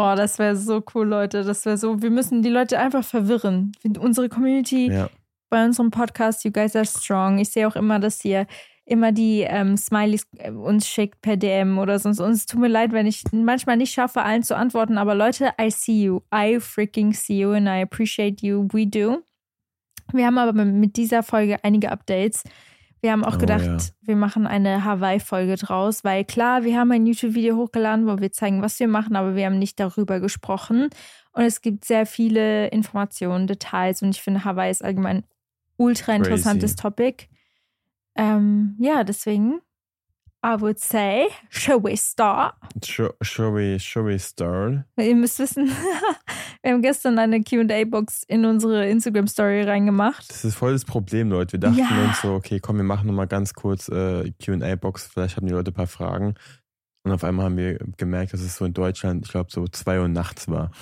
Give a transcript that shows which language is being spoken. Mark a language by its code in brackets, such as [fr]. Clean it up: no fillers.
[de] Oh, das wäre so cool, Leute. Das wäre so, wir müssen die Leute einfach verwirren. Unsere Community bei unserem Podcast, [en] you guys are strong. [de] Ich sehe auch immer, dass ihr immer die Smileys uns schickt per DM oder sonst. Und es tut mir leid, wenn ich manchmal nicht schaffe, allen zu antworten. Aber Leute, [en] I see you. I freaking see you and I appreciate you. We do. [de] Wir haben aber mit dieser Folge einige Updates. Wir haben auch gedacht, wir machen eine Hawaii-Folge draus. Weil klar, wir haben ein YouTube-Video hochgeladen, wo wir zeigen, was wir machen. Aber wir haben nicht darüber gesprochen. Und es gibt sehr viele Informationen, Details. Und ich finde, Hawaii ist allgemein ein ultra interessantes Topic. Deswegen, [en] I would say, shall we start? Shall we start? [de] Ihr müsst wissen, wir haben gestern eine Q&A-Box in unsere Instagram-Story reingemacht. Das ist voll das Problem, Leute. Wir dachten uns so, okay, komm, wir machen nochmal ganz kurz Q&A-Box. Vielleicht haben die Leute ein paar Fragen. Und auf einmal haben wir gemerkt, dass es so in Deutschland, ich glaube, so 2 Uhr nachts war.